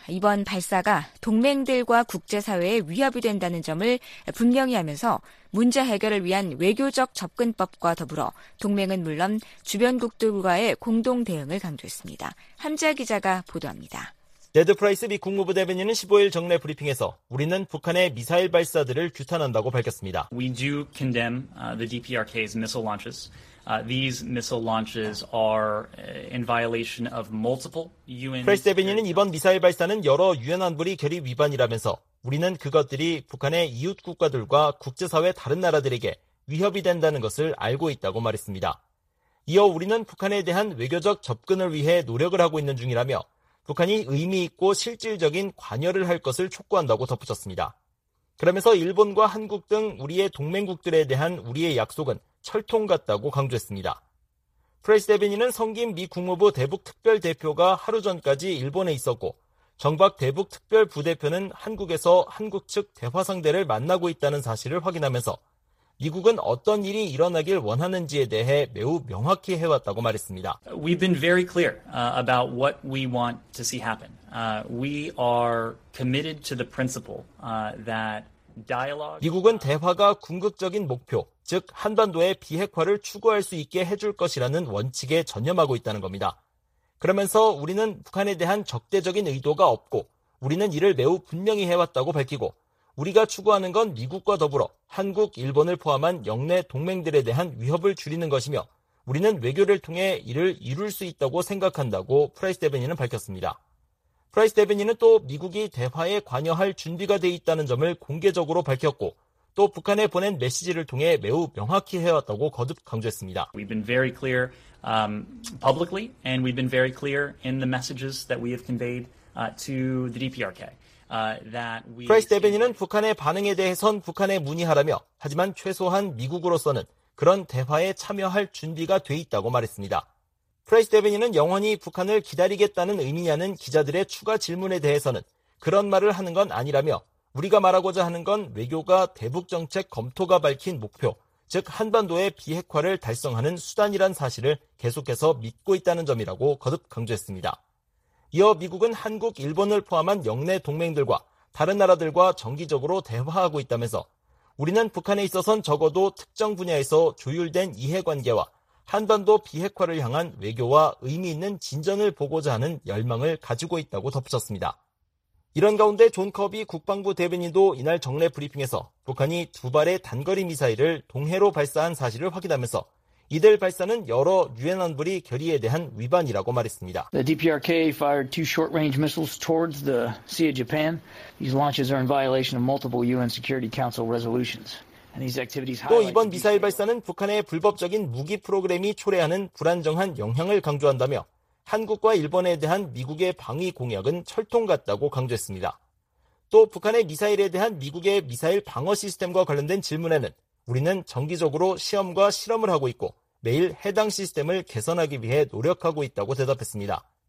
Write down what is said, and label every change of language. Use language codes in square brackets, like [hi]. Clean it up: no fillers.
[ko] 이번 발사가 동맹들과 국제사회에 위협이 된다는 점을 분명히 하면서 문제 해결을 위한 외교적 접근법과 더불어 동맹은 물론 주변국들과의 공동 대응을 강조했습니다. 함재아 기자가 보도합니다. 데드 프라이스 미 국무부 대변인은 15일 정례 브리핑에서 우리는 북한의 미사일 발사들을 규탄한다고 밝혔습니다. [en] We do condemn the DPRK's missile launches. These missile launches are in violation of multiple UN. [ko] 프라이스 대변인은 이번 미사일 발사는 여러 유엔 안보리 결의 위반이라면서 우리는 그것들이 북한의 이웃 국가들과 국제사회 다른 나라들에게 위협이 된다는 것을 알고 있다고 말했습니다. 이어 우리는 북한에 대한 외교적 접근을 위해 노력을 하고 있는 중이라며 북한이 의미 있고 실질적인 관여를 할 것을 촉구한다고 덧붙였습니다. 그러면서 일본과 한국 등 우리의 동맹국들에 대한 우리의 약속은 철통 같다고 강조했습니다. 프레스 데비니는 성김 미 국무부 대북특별대표가 하루 전까지 일본에 있었고 정박 대북특별부대표는 한국에서 한국 측 대화상대를 만나고 있다는 사실을 확인하면서 미국은 어떤 일이 일어나길 원하는지에 대해 매우 명확히 해왔다고 말했습니다. [en] We've been very clear about what we want to see happen. We are committed to the principle that dialogue. [ko] 미국은 대화가 궁극적인 목표, 즉 한반도의 비핵화를 추구할 수 있게 해줄 것이라는 원칙에 전념하고 있다는 겁니다. 그러면서 우리는 북한에 대한 적대적인 의도가 없고 우리는 이를 매우 분명히 해왔다고 밝히고 우리가 추구하는 건 미국과 더불어 한국, 일본을 포함한 영내 동맹들에 대한 위협을 줄이는 것이며 우리는 외교를 통해 이를 이룰 수 있다고 생각한다고 프라이스 데베니는 밝혔습니다. 프라이스 데베니는 또 미국이 대화에 관여할 준비가 돼 있다는 점을 공개적으로 밝혔고 또 북한에 보낸 메시지를 통해 매우 명확히 해왔다고 거듭 강조했습니다. [en] We've been very clear publicly and we've been very clear in the messages that we have conveyed to the DPRK. [ko] 프라이스 대변인은 북한의 반응에 대해선 북한에 문의하라며 하지만 최소한 미국으로서는 그런 대화에 참여할 준비가 돼 있다고 말했습니다. 프라이스 대변인은 영원히 북한을 기다리겠다는 의미냐는 기자들의 추가 질문에 대해서는 그런 말을 하는 건 아니라며 우리가 말하고자 하는 건 외교가 대북정책 검토가 밝힌 목표, 즉 한반도의 비핵화를 달성하는 수단이란 사실을 계속해서 믿고 있다는 점이라고 거듭 강조했습니다. 이어 미국은 한국, 일본을 포함한 영내 동맹들과 다른 나라들과 정기적으로 대화하고 있다면서 우리는 북한에 있어선 적어도 특정 분야에서 조율된 이해관계와 한반도 비핵화를 향한 외교와 의미 있는 진전을 보고자 하는 열망을 가지고 있다고 덧붙였습니다. 이런 가운데 존 커비 국방부 대변인도 이날 정례 브리핑에서 북한이 두 발의 단거리 미사일을 동해로 발사한 사실을 확인하면서 이들 발사는 여러 유엔 안보리 결의에 대한 위반이라고 말했습니다. [en] The DPRK fired two short-range missiles towards the Sea of Japan. These launches are in violation of multiple UN Security Council resolutions. And these activities highlight. [ko] 또 이번 미사일 발사는 북한의 불법적인 무기 프로그램이 초래하는 불안정한 영향을 강조한다며 한국과 일본에 대한 미국의 방위 공약은 철통 같다고 강조했습니다. 또 북한의 미사일에 대한 미국의 미사일 방어 시스템과 관련된 질문에는 우리는 정기적으로 시험과 실험을 하고 있고 매일 해당 시스템을 개선하기 위해 노력하고 있다고 대답했습니다.